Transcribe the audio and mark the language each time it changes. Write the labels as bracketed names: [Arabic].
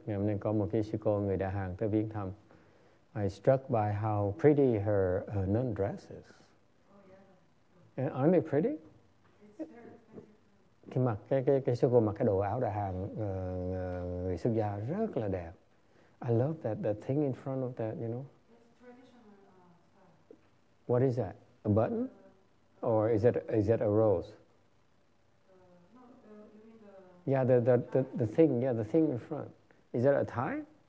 [Vietnamese] Ngày hôm nay có một cái sư cô người Đà Hàng tới viếng thăm. [English] I struck by how pretty her nun dress is. Aren't they pretty? [Vietnamese] Cái mặc cái sư cô mặc cái đồ áo Đà Hàng người xuất gia rất là đẹp. [English] I love that thing in front of that, you know. What is that? A button? Or is it a rose? Yeah, the thing, yeah, the thing in front. Is that a tie?